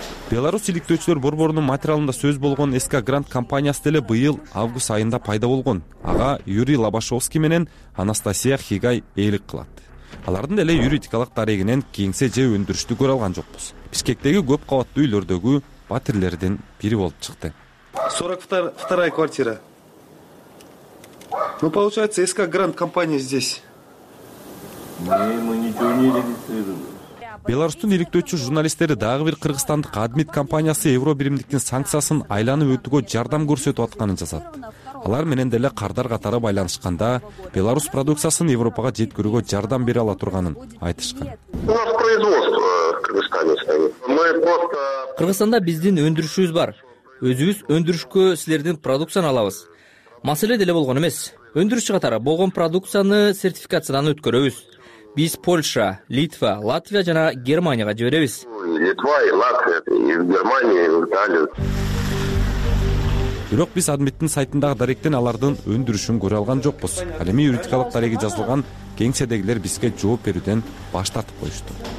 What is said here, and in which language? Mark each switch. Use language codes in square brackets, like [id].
[ky] Беларусь иликтөөчүлөр борборунун материалында сөз болгон СК Грант компаниясы деле быйыл август айында пайда болгон. Ага Юрий Лобашовский менен Анастасия Хигай ээлик кылат. Алардын деле юридикалык тарегинен кеңсе же өндүрүштү көрө алган жокпуз. Бишкектеги көп кабаттуу үйлөрдөгү батирлердин бири болуп чыкты. [ru] 42-я квартира. Получается, СК Грант компания здесь. Мы ничего не регистрируем. [ky] Беларусьтун иликтөөчү журналисттери дагы бир кыргызстандык Адмит компаниясы Евробиримдиктин санкциясын айланып өтүүгө жардам көрсөтүп атканын жазат. Алар менен деле кардар катары байланышканда Беларусь продукциясын Европага жеткирүүгө жардам бере ала турганын айтышкан. Кыргызстанда биздин өндүрүшүбүз бар. Өзүбүз өндүрүшкө силердин продукцияны алабыз. Маселе деле болгон эмес. Өндүрүш катары болгон продукцияны сертификациядан өткөрөбүз. Биз Польша, Литва, Латвия жана Германияга жиберебиз. Литва, Латвия, Германия, Италия. Бирок биз Адмиттин сайтындагы даректен алардын өндүрүшүн көрө алган жокпуз. Ал эми юридикалык тареги жазылган кеңседегилер бизге жооп берүүдөн баш тартып коюшту.